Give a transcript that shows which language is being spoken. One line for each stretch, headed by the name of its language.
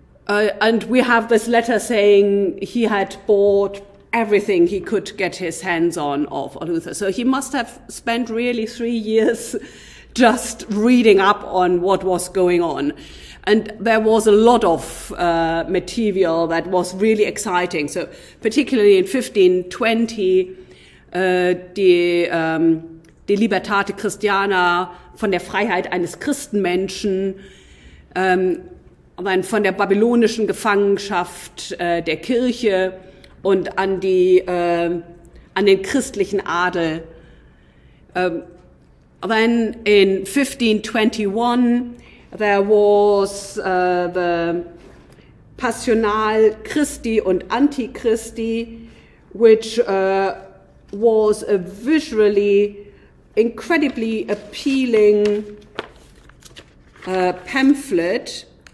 English: And we have this letter saying he had bought everything he could get his hands on of Luther. So he must have spent really 3 years just reading up on what was going on. And there was a lot of material that was really exciting. So particularly in 1520,
German: die Libertate Christiana, von der Freiheit eines Christenmenschen, dann von der babylonischen Gefangenschaft der Kirche und an die an den christlichen Adel.
English: Then in 1521 there was the Passional Christi und Antichristi, which was a visually incredibly appealing pamphlet